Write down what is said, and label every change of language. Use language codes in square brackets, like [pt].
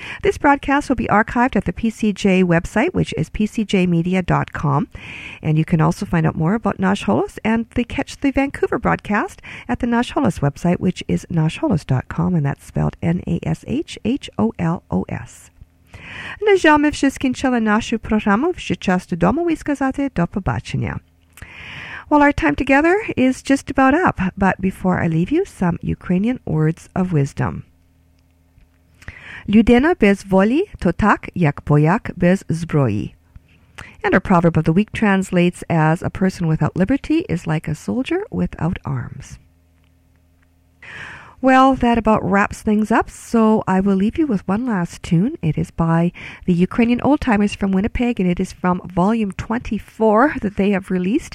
[en] This broadcast will be archived at the PCJ website, which is pcjmedia.com. And you can also find out more about Nash Holos and the Catch the Vancouver broadcast at the Nash Holos website, which is nashholos.com, and that's spelled NASHHOLOS. [uk] На жаль, ми вже скінчили нашу програму. Вже час додому і сказати до побачення. [en] Well, our time together is just about up, but before I leave you, some Ukrainian words of wisdom. [uk] Людина без волі, то так, як бояк без зброї. [en] And our proverb of the week translates as, a person without liberty is like a soldier without arms. Well, that about wraps things up, so I will leave you with one last tune. It is by the Ukrainian old-timers from Winnipeg, and it is from Volume 24 that they have released.